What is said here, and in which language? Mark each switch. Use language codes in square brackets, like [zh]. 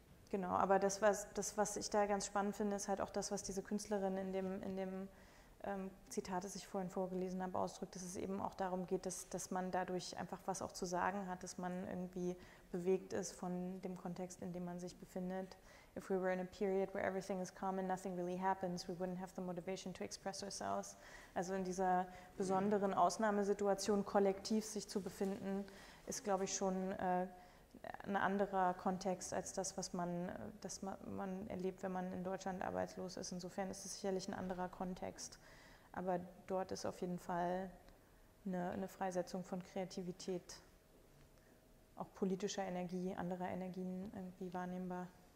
[de] Genau, aber das, was ich da ganz spannend finde, ist halt auch das, was diese Künstlerin in dem Zitat, das ich vorhin vorgelesen habe, ausdrückt, dass es eben auch darum geht, dass man dadurch einfach was auch zu sagen hat, dass man irgendwie bewegt ist von dem Kontext, in dem man sich befindet. [en] If we were in a period where everything is calm and nothing really happens, we wouldn't have the motivation to express ourselves. [de] Also in dieser besonderen Ausnahmesituation kollektiv sich zu befinden, ist, glaube ich, schon ein anderer Kontext als das, was man erlebt, wenn man in Deutschland arbeitslos ist. Insofern ist es sicherlich ein anderer Kontext. Aber dort ist auf jeden Fall eine Freisetzung von Kreativität, auch politischer Energie, anderer Energien irgendwie wahrnehmbar.